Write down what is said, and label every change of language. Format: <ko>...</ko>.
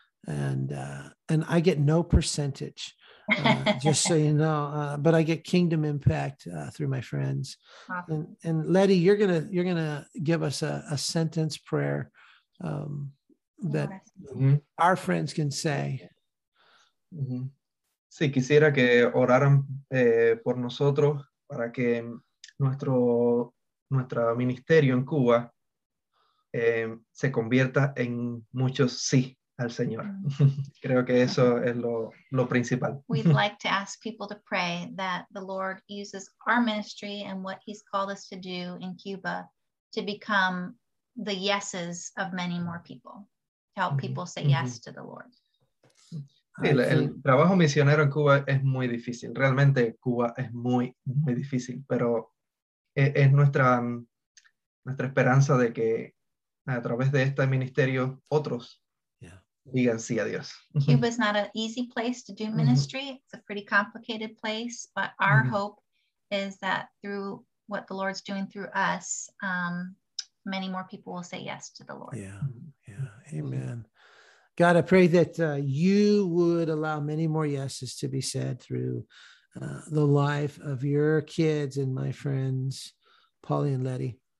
<en>And I get no percentage, just so you know, but I get kingdom impact through my friends. Awesome. And Ledy, you're gonna give us a sentence prayer that our friends can say.</en> <es>Sí, quisiera que oraran por nosotros para que nuestro ministerio en Cuba se convierta en muchos sí al Señor. Creo que eso es lo principal.</es> <en>We'd like to ask people to pray that the Lord uses our ministry and what he's called us to do in Cuba to become the yeses of many more people, to help people say yes to the Lord.</en> <es>Sí, el trabajo misionero en Cuba es muy difícil. Realmente Cuba es muy, muy difícil, pero es nuestra esperanza de que a través de este ministerio otros digan sí a Dios.</es> <en>Cuba is not an easy place to do ministry. It's a pretty complicated place, but our hope is that through what the Lord's doing through us, many more people will say yes to the Lord. Yeah, yeah, amen. God, I pray that you would allow many more yeses to be said through the life of your kids and my friends, Polly and Ledy.</en>